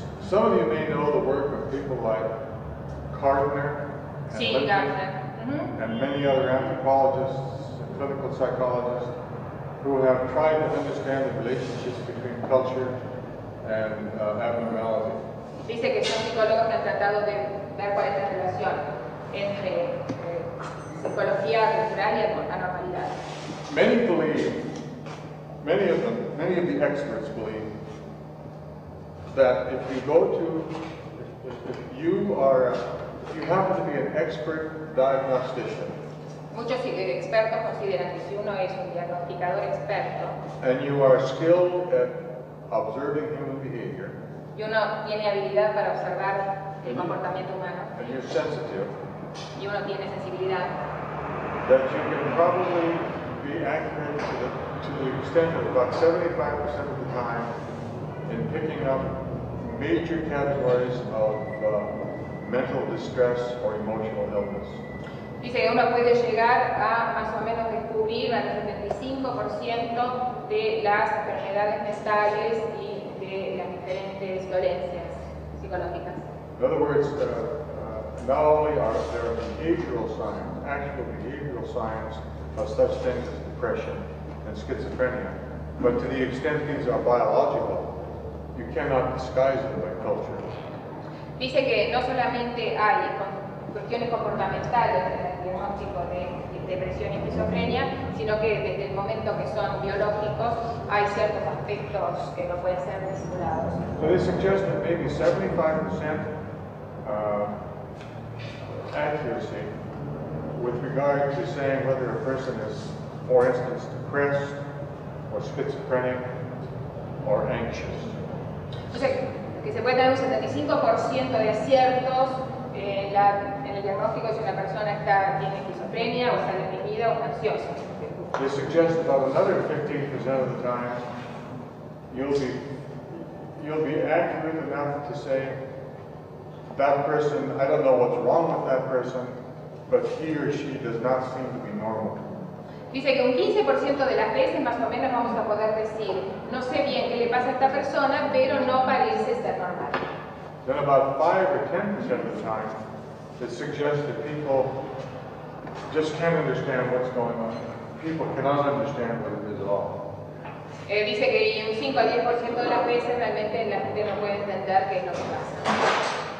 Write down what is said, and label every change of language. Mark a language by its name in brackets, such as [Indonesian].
[English] Some of you may know the work of people like Gardner and, [Spanish] sí, Lincoln, Gardner. Mm-hmm. [English] And many other anthropologists and clinical psychologists who have tried to understand the relationships between culture and abnormality. [Spanish] Dice que son psicólogos que han tratado de ver cuál es la relación entre psicología cultural y anormalidad. [English] Many believe, many of the experts believe that if you go to, if you happen to be an expert diagnostician. [Spanish] Muchos expertos consideran que si uno es un diagnosticador experto. [English] And you are skilled at observing human behavior. [Spanish] Y uno tiene habilidad para observar el comportamiento humano. [English] And you're sensitive. [Spanish] Y uno tiene sensibilidad. [English] That you can probably be accurate to the extent of about 75% of the time in picking up major categories of mental distress or emotional illness. [Spanish] Dice que uno puede llegar a más o menos descubrir al 75% de las enfermedades mentales y de las diferentes dolencias psicológicas. [English] In other words, not only are there behavioral signs, actual behavioral signs of such things as depression and schizophrenia, but to the extent these are biological, you cannot disguise them by culture. [Spanish] Dice que no solamente hay cuestiones comportamentales en el diagnóstico de depresión y esquizofrenia, sino que desde el momento que son biológicos hay ciertos aspectos que no pueden ser disimulados. [English] So they suggest that maybe 75% accuracy with regard to saying whether a person is, for instance, depressed or schizophrenic or anxious. [Spanish] O sea, que se puede tener un 75% de aciertos en el diagnóstico si una persona tiene esquizofrenia o está deprimida o ansiosa. [English] They suggest about another 15% of the time you'll be accurate enough to say that person, I don't know what's wrong with that person, but he or she does not seem to be normal. [Spanish] Dice que un 15% de las veces más o menos vamos a poder decir, no sé bien qué le pasa a esta persona, pero no parece ser normal. [English] Then about 5 or 10% of the time, it suggests that people just can't understand what's going on. People cannot understand what it is at all. [Spanish] Dice que un 5 a 10% de las veces realmente la gente no puede entender qué es lo que pasa.